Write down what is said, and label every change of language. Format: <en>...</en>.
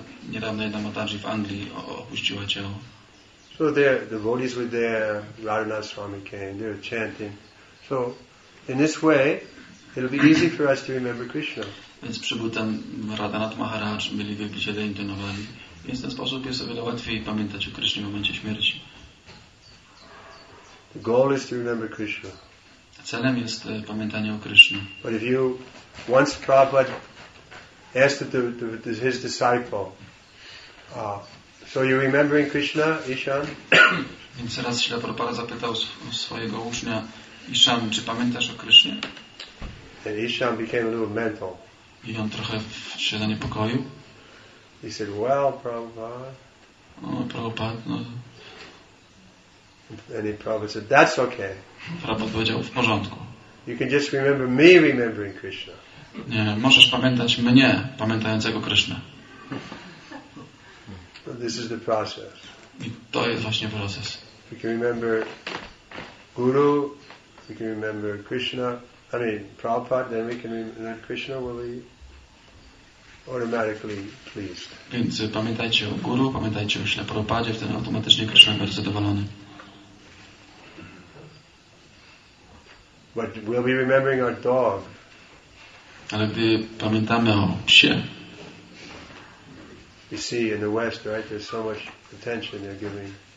<pl>Niedawno jedna matadży w Anglii opuściła ciało.</pl> <en>So there, the devotees were there, Radhana Swami came, they were chanting. So in this way, it'll be easy for us to remember Krishna.</en> <pl>Więc przybył tam Radhanath Maharaj, byli wielbiciele intonowali. Więc w ten sposób jest o wiele łatwiej pamiętać o Krishna w momencie śmierci.</pl> <en>The goal is to remember Krishna.</en> <pl>Celem jest pamiętanie o Krishna.</pl> <en>But if you, once Prabhupada asked to his disciple, so you're remembering Krishna, Ishan?</en> <pl>Więc raz Śrila Prabhupada zapytał swojego ucznia, Ishan, czy pamiętasz o Krishna?</pl> <en>And Ishan became a little mental.</en> <pl>I on trochę się zaniepokoił.</pl> <en>He said, well, Prabhupada. No, Prabhupada, no. And the Prabhupada said, that's okay.</en> <pl>Prabhupada powiedział, w porządku.</pl> <en>You can just remember me remembering Krishna.</en> <pl>Nie, możesz pamiętać mnie, pamiętającego Krishna.</pl> <en>But this is the process.</en> <pl>I to jest właśnie proces.</pl> <en>We can remember Guru, we can remember Krishna. I mean, Prabhupada, then we can remember, then Krishna will be automatically pleased.</en> <pl>Więc pamiętajcie o Guru, pamiętajcie o Śle Prabhupadzie, wtedy automatycznie Krishna będzie zadowolony.</pl> <en>But we'll be remembering our dog.</en> <pl>Ale gdy pamiętamy o psie.</pl> <en>You see, in the West, right, there's so much attention they're giving.</en>